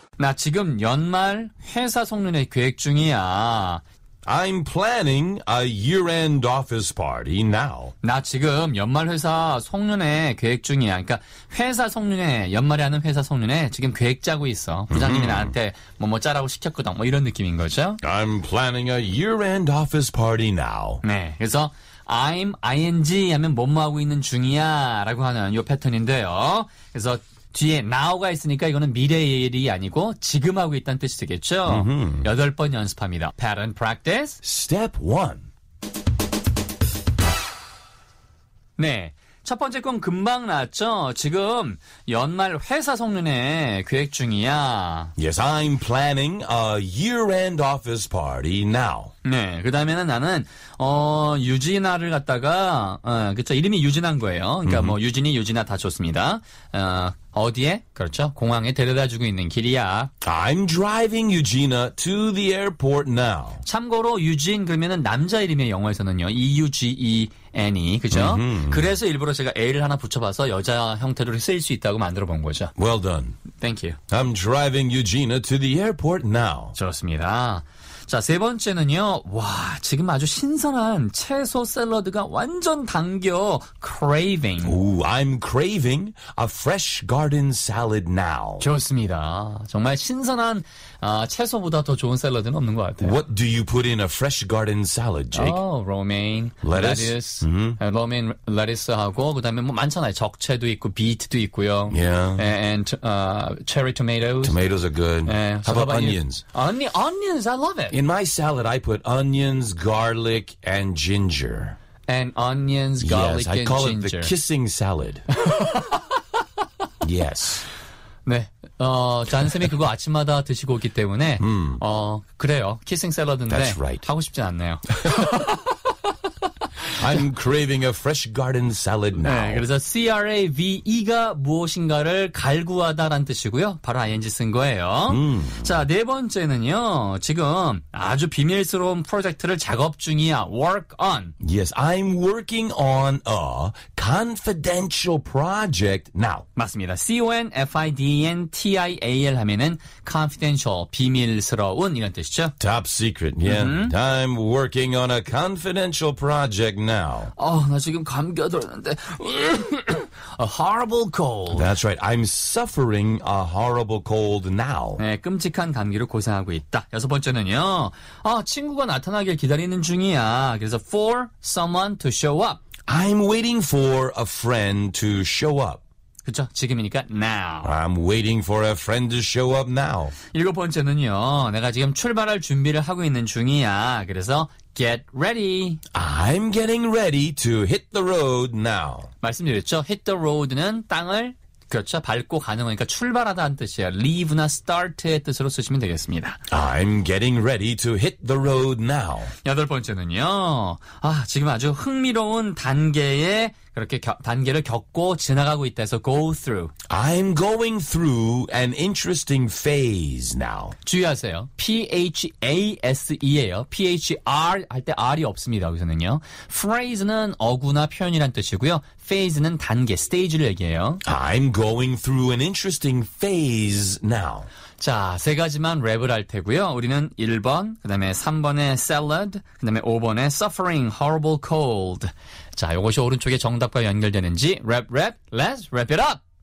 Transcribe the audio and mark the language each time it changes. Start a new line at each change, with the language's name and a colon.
Korean: 나 지금 연말 회사 송년회 계획 중이야.
English: I'm planning a year-end office party now.
Korean: 나 지금 연말 회사 송년회 계획 중이야. 그러니까 회사 송년회, 연말에 하는 회사 송년회 지금 계획 짜고 있어. 부장님이 나한테 뭐 짜라고 시켰거든. 뭐 이런 느낌인 거죠.
English: I'm planning a year-end office party now.
Korean: 네, 그래서 I'm ing 하면 뭐뭐 하고 있는 중이야 라고 하는 요 패턴인데요. 그래서 뒤에 now가 있으니까 이거는 미래의 일이 아니고 지금 하고 있다는 뜻이 되겠죠. 여덟 번 연습합니다.
English: Pattern practice. Step 1.
Korean: 네. 첫 번째 건 금방 나왔죠. 지금 연말 회사 송년회 계획 중이야.
English: Yes, I'm planning a year-end office party now.
Korean: 네, 그 다음에는 나는 유진아를 갖다가 그렇죠. 이름이 유진한 거예요. 그러니까 뭐 유진이 유진아 다 좋습니다. 어디에? 그렇죠. 공항에 데려다주고 있는 길이야.
English: I'm driving Eugenia to the airport now.
Korean: 참고로 유진 그러면은 남자 이름의 영어에서는요.
English: E-U-G-E-N-E. 그죠?
Korean: 그래서 일부러 제가 A를 하나 붙여봐서 여자 형태로 쓰일 수 있다고 만들어본 거죠.
English: Well done. Thank you. I'm driving Eugenia to the airport now.
Korean: 좋습니다. 자, 세 번째는요. 와, 지금 아주 신선한 채소 샐러드가 완전 당겨.
English: Craving. Ooh, I'm craving a fresh garden salad now.
Korean: 좋습니다. 정말 신선한 채소보다 더 좋은 샐러드는 없는 것 같아요.
English: What do you put in a fresh garden salad, Jake? Oh, romaine. Lettuce. Mm-hmm.
Korean: Romaine lettuce하고 그다음에 뭐 많잖아요. 적채도 있고 비트도 있고요.
English: Yeah. And cherry tomatoes. Tomatoes are good. Yeah. How about onions? Onions, I love it. In my salad, I put onions, garlic, and ginger. And onions, garlic, yes, and ginger. Yes, I call it the kissing salad. Yes.
Korean: 네. 잔쌤이 그거 아침마다 드시고 오기 때문에, 그래요. 키싱 샐러드인데.
English: That's right.
Korean: 하고 싶지 않네요.
English: I'm craving a fresh garden salad now.
Korean: 네, 그래서 C-R-A-V-E가 무엇인가를 갈구하다 라는 뜻이고요. 바로 ING 쓴 거예요. 자, 네 번째는요. 지금 아주 비밀스러운 프로젝트를 작업 중이야.
English: Work on. Yes, I'm working on a confidential project now.
Korean: 맞습니다. C-O-N-F-I-D-E-N-T-I-A-L 하면은 confidential, 비밀스러운 이런 뜻이죠.
English: Top secret, yeah. I'm working on a confidential project now.
Korean: 나 지금 감겨들었는데.
English: A horrible cold. That's right. I'm suffering a horrible cold now.
Korean: 네, 끔찍한 감기로 고생하고 있다. 여섯 번째는요. 친구가 나타나길 기다리는 중이야. 그래서
English: for someone to show up. I'm waiting for a friend to show up.
Korean: 그쵸? 지금이니까 now.
English: I'm waiting for a friend to show up now.
Korean: 일곱 번째는요. 내가 지금 출발할 준비를 하고 있는 중이야. 그래서
English: get ready. I'm getting ready to hit the road now.
Korean: 말씀드렸죠?
English: Hit the road
Korean: 는 땅을 그렇죠. 밟고 가는 거니까 출발하다는 뜻이에요. Leave나 start의 뜻으로 쓰시면 되겠습니다.
English: I'm getting ready to hit the road now.
Korean: 여덟 번째는요. 지금 아주 흥미로운 단계에 그렇게 단계를 겪고 지나가고 있다 해서 go through.
English: I'm going through an interesting phase now.
Korean: 주의하세요. P-H-A-S-E예요. P-H-R 할 때 R이 없습니다. 여기서는요. Phrase는 어구나 표현이란 뜻이고요. Phase는 단계, stage를 얘기해요.
English: I'm going through an interesting phase now.
Korean: 자, 세 가지만 랩을 할 테고요. 우리는 1번, 그 다음에 3번에 salad, 그 다음에 5번에 suffering, horrible cold. 자, 이것이 오른쪽에 정답과 연결되는지 랩,
English: let's wrap it up!